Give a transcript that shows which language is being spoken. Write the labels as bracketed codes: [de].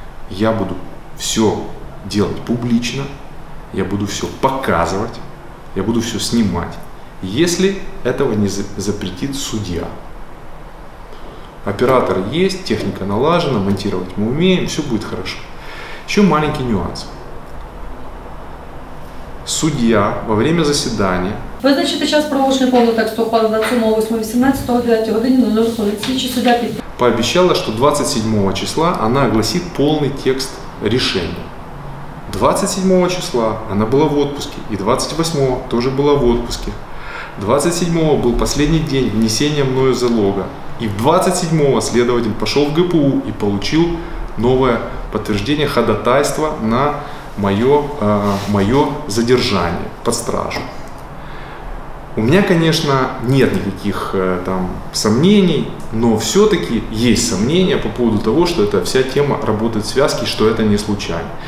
[ru] Я буду все делать публично. Я буду все показывать. Я буду все снимать. Если этого не запретит судья. Оператор есть, техника налажена, монтировать мы умеем, все будет хорошо. Еще маленький нюанс. Судья во время заседания... [uk] Визначити час проголошення повного тексту ухвали на цьому 8.18, 9 годині, 0.40, слідчий суддя під... Пообіцяла, що 27 числа вона оголосить повний текст рішення. 27 числа вона була в відпустці, і 28 теж була в відпустці. 27 був останній день внесення мною залога. [ru] И в 27-го следователь пошел в ГПУ и получил новое подтверждение ходатайства на мое задержание под стражу. У меня, конечно, нет никаких там сомнений, но все-таки есть сомнения по поводу того, что эта вся тема работает в связке, что это не случайно.